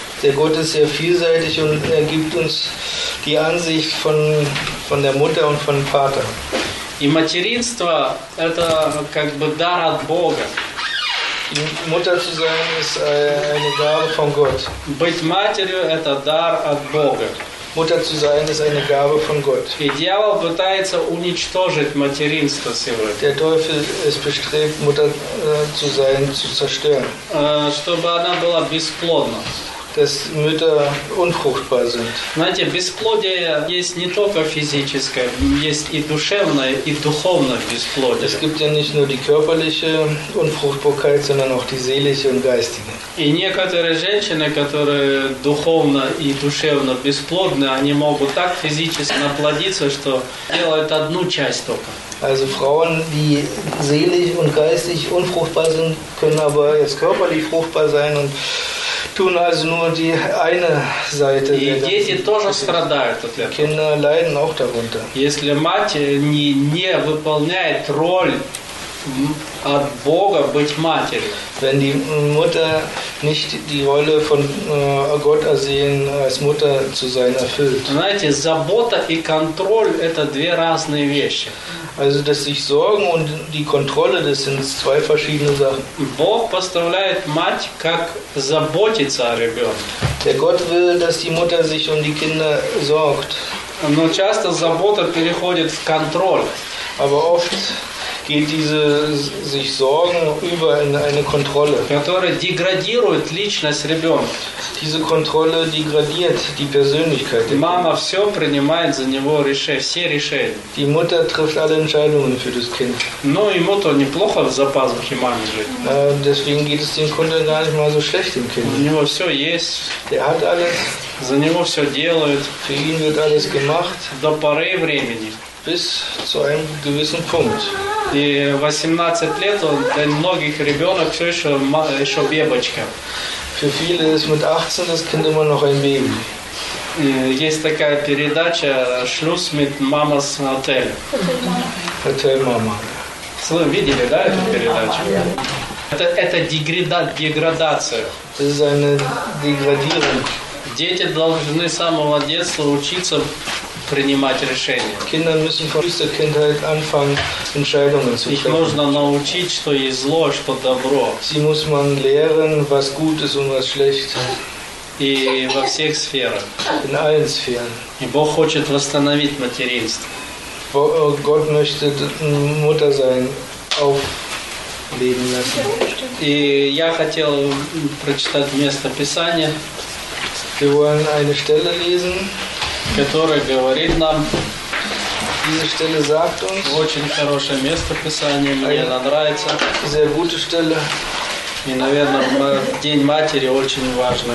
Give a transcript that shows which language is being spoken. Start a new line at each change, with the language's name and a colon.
German: Der Gott ist sehr vielseitig und er gibt uns die Ansicht von der Mutter und von Vater.
Russian: И материнство – это как бы дар от Бога.
German: Mutter zu sein ist eine Gabe von Gott.
Russian: Быть матерью – это дар от Бога.
German: Mutter zu sein ist eine Gabe von Gott.
Russian: И дьявол пытается уничтожить материнство сегодня.
German: Der Teufel ist bestrebt, Mutter zu sein, zu zerstören.
Russian: Чтобы она была бесплодна.
German: Dass Mütter unfruchtbar sind.
Russian: Знаете, бесплодие есть не только физическое, есть и душевное, и духовное бесплодие.
German: Es gibt ja nicht nur die körperliche Unfruchtbarkeit, sondern auch die seelische und geistige.
Russian: И некоторые женщины, которые духовно и душевно бесплодны, они могут так физически наплодиться, что делают одну часть только.
German: Also Frauen, die seelisch und geistig unfruchtbar sind, können aber jetzt körperlich fruchtbar sein und tun also nur die eine Seite.
Russian: И дети тоже страдают от этого.
German: Kinder leiden auch darunter.
Russian: Если мать не выполняет роль от Бога быть матерью.
German: Wenn die Mutter nicht die Rolle von Gott ersehen, als Mutter zu sein, erfüllt.
Russian: Знаете, забота и контроль – это две разные вещи.
German: Also, dass sich Sorgen und die Kontrolle, das sind zwei verschiedene Sachen.
Russian: Бог поставляет мать, как заботиться о ребенке.
German: Der Gott will, dass die Mutter sich um die Kinder sorgt.
Russian: Но часто забота переходит в контроль.
German: Aber oft geht diese sich Sorgen über in eine Kontrolle.
Russian: Которая деградирует личность ребенка.
German: Diese Kontrolle degradiert die Persönlichkeit.
Russian: Мама все принимает за него все решения.
German: Die Mutter trifft alle Entscheidungen für das Kind.
Russian: Но ему то неплохо в запасе мамы жить.
German: Deswegen geht es dem Kind gar nicht mal so schlecht im Kind.
Russian: У него все есть.
German: Der hat alles.
Russian: За него все делают.
German: Für ihn wird alles gemacht.
Russian: До поры времени.
German: Bis zu einem gewissen Punkt.
Russian: И 18 лет для многих ребенок все еще бебочка.
German: Für viele ist mit 18 das Kind immer noch ein Baby.
Russian: Есть такая передача «Schluss mit Mamas Hotel».
German: Hotel Mama.
Russian: Вы видели, да, эту передачу? Это деградация.
German: Das ist eine Degradierung.
Russian: Дети должны с самого детства учиться принимать решения.
German: Kinder müssen von frühester Kindheit anfangen, Entscheidungen zu treffen.
Russian: Их нужно научить, что есть зло, что добро.
German: Sie muss man lehren, was gut ist und was schlecht.
Russian: И во всех сферах.
German: In allen Sphären.
Russian: И Бог хочет восстановить материнство.
German: Gott möchte Mutter sein aufleben lassen.
Russian: И я хотел прочитать место Писания.
German: Wir wollen eine Stelle lesen.
Russian: Которая говорит нам,
German: diese Stelle sagt uns,
Russian: очень хорошее место Писания, мне она нравится.
German: Sehr gute Stelle.
Russian: И, наверное, День матери очень важен.